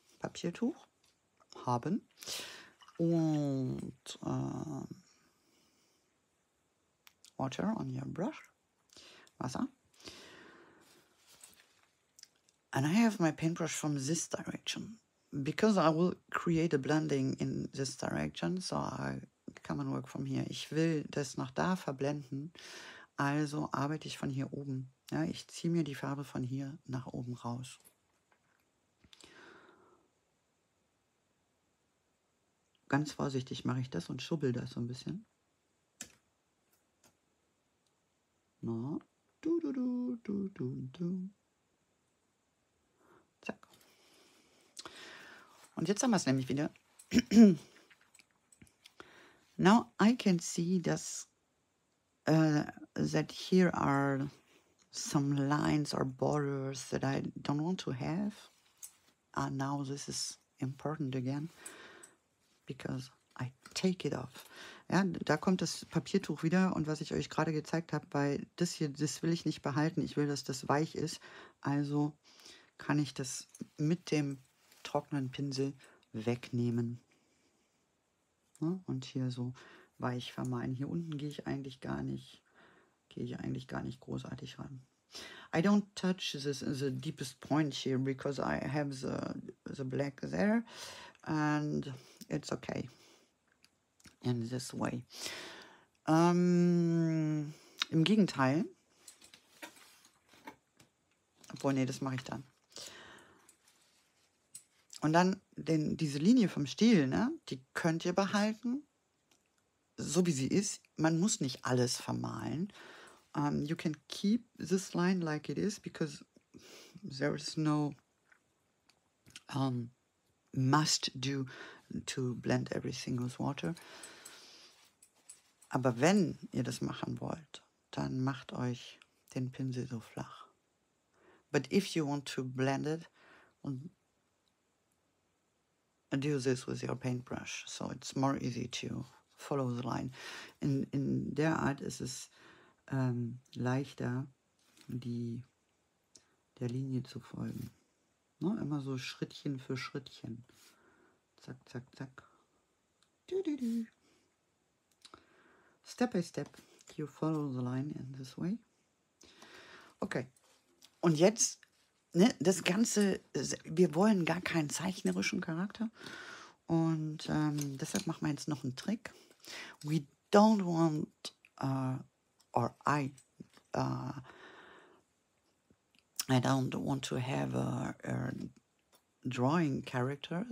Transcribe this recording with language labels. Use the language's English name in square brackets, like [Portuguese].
[German] Papiertuch haben. Und [English] water on your brush. [German] Wasser. [English] And I have my paintbrush from this direction. Because I will create a blending in this direction, so I come and work from here. [German] Ich will das nach da verblenden, also arbeite ich von hier oben. Ja, ich ziehe mir die Farbe von hier nach oben raus. Ganz vorsichtig mache ich das und schubbel das so ein bisschen. Na, du, du, du, du, du, du. Und jetzt haben wir es nämlich wieder. [English] Now I can see that here are some lines or borders that I don't want to have. And now this is important again, because I take it off. [German] Ja, da kommt das Papiertuch wieder und was ich euch gerade gezeigt habe, weil das hier, das will ich nicht behalten. Ich will, dass das weich ist. Also kann ich das mit dem trockenen Pinsel wegnehmen. Ja, und hier so weich vermalen. Hier unten gehe ich eigentlich gar nicht großartig ran. [English] I don't touch this the deepest point here because I have the black there and it's okay in this way. [German] Im Gegenteil, obwohl, nee, das mache ich dann. Und dann diese Linie vom Stiel, ne, die könnt ihr behalten, so wie sie ist. Man muss nicht alles vermalen. [English] You can keep this line like it is, because there is no must do to blend everything with water. [German] Aber wenn ihr das machen wollt, dann macht euch den Pinsel so flach. [English] But if you want to blend it, and do this with your paintbrush, so it's more easy to follow the line. [German] In der Art ist es leichter, der Linie zu folgen. Ne? Immer so Schrittchen für Schrittchen. Zack, zack, zack. Du, du, du. [English] Step by step, you follow the line in this way. [German] Okay, und jetzt, ne, das Ganze, wir wollen gar keinen zeichnerischen Charakter. Und deshalb machen wir jetzt noch einen Trick. [English] We don't want, I don't want to have a drawing character.